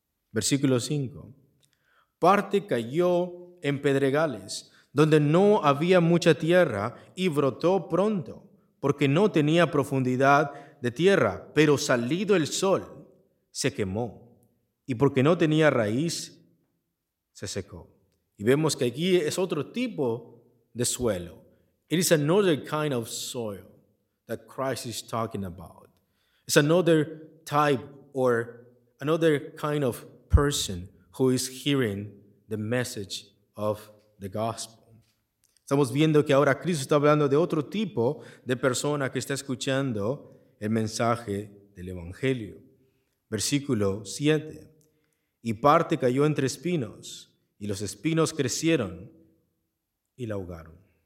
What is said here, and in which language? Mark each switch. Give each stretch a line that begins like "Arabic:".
Spanish: Versículo 5. Parte cayó en pedregales, donde no había mucha tierra, y brotó pronto, porque no tenía profundidad de tierra, pero salido el sol, se quemó, y porque no tenía raíz, se secó. Y vemos que aquí es otro tipo de suelo.
English: It is another kind of soil that Christ is talking about. It's another type or another kind of person who is hearing the message of the gospel.
Spanish: Estamos viendo que ahora Cristo está hablando de otro tipo de persona que está escuchando el mensaje del Evangelio. Versículo 7. Y parte cayó entre espinos, y los espinos crecieron y la ahogaron.